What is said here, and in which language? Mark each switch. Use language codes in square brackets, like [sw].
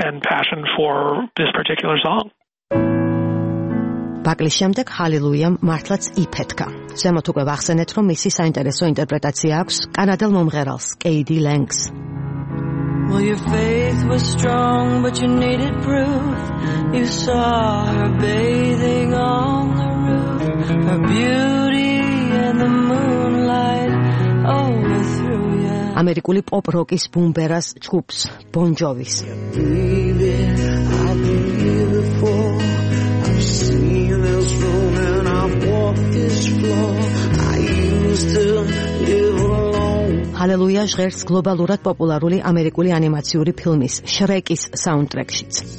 [en] Passion for this particular song. [ka] Buckley-ის შემდეგ Halleluja-მ მართლაც იფეთქა. ზემოთ უკვე ვახსენეთ, რომ მისი საინტერესო ინტერპრეტაცია აქვს კანადელ მომღერალს, კეიდი ლენგს. [en] Well, your faith was strong, but you needed proof. You saw her bathing on the roof. Her beauty and the moonlight overthrew you. [ka] ამერიკული პოპ-როკის ბუმბერას ჯგუფს, Bon Jovi-ს. Halleluja ჟღერს გლობალურად პოპულარული ამერიკული ანიმაციური ფილმის Shrek-ის საუნდტრეკშიც.